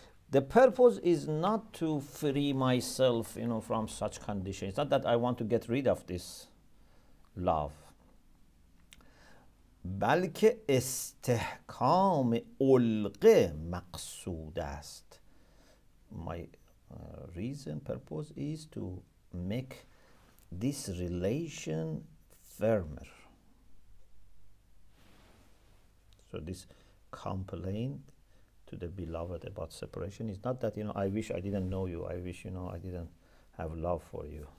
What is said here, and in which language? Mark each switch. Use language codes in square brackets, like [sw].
[en] The purpose is not to free myself, you know, from such conditions. It's not that I want to get rid of this love. [fa] بلکه استحکام علقه مقصود است. [en] My reason, purpose is to make this relation firmer. So this complaint to the beloved about separation. It's not that, you know, I wish I didn't know you. I wish, you know, I didn't have love for you.